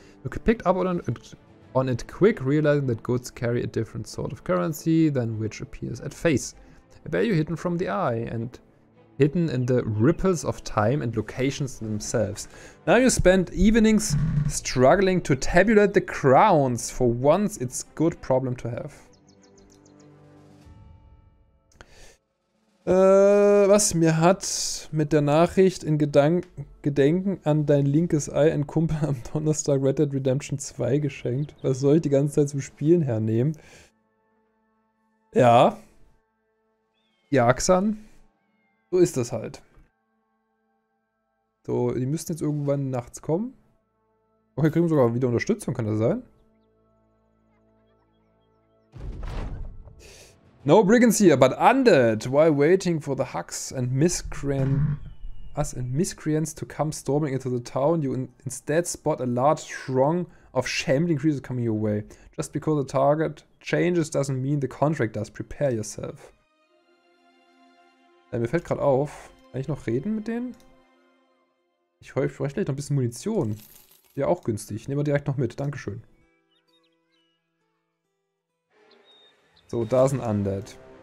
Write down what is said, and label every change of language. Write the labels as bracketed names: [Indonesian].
[English] You could pick up on it quick, realizing that goods carry a different sort of currency than which appears at face. A value hidden from the eye and hidden in the ripples of time and locations themselves. Now you spend evenings struggling to tabulate the crowns, for once it's a good problem to have. [German] Was mir hat mit der Nachricht in Gedenken an dein linkes Ei ein Kumpel am Donnerstag Red Dead Redemption 2 geschenkt? Was soll ich die ganze Zeit zum Spielen hernehmen? Ja. Ja, Xan. So ist das halt. So, die müssten jetzt irgendwann nachts kommen. Oh, hier kriegen wir sogar wieder Unterstützung, kann das sein? [English] No brigands here, but undead. While waiting for the Hucks and Miscreants to come storming into the town, you instead spot a large throng of shamed increases coming your way. Just because the target changes doesn't mean the contract does. Prepare yourself. [German] Mir fällt gerade auf, kann ich noch reden mit denen? Ich hoffe, ich brauche noch ein bisschen Munition. Ja, auch günstig. Nehmen wir direkt noch mit. Dankeschön. So, da ist ein Undead.